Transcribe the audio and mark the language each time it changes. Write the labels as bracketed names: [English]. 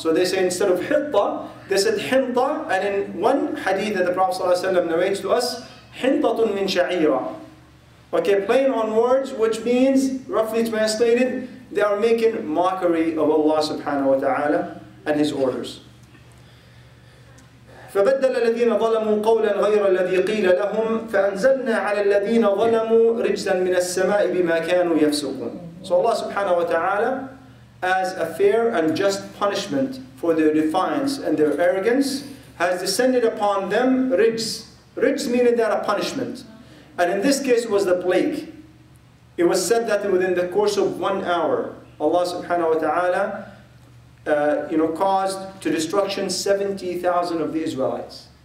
[English] So they say instead of حطة, they said حنطة. And in one hadith that the Prophet [Arabic] صلى الله عليه وسلم [English] narrates to us, [Arabic] حنطة من شعيرة. [English] Okay, playing on words, which means, roughly translated, they are making mockery of Allah subhanahu wa ta'ala and His orders. [Arabic] فبدل الذين ظلموا قولا غير الذي قيل لهم فأنزلنا على الذين ظلموا رجزا من السماء بما كانوا يفسقون. [English] So Allah subhanahu wa ta'ala, as a fair and just punishment for their defiance and their arrogance, has descended upon them rijs. Rijs meaning that a punishment. And in this case was the plague. It was said that within the course of 1 hour, Allah subhanahu wa ta'ala caused to destruction 70,000 of the Israelites.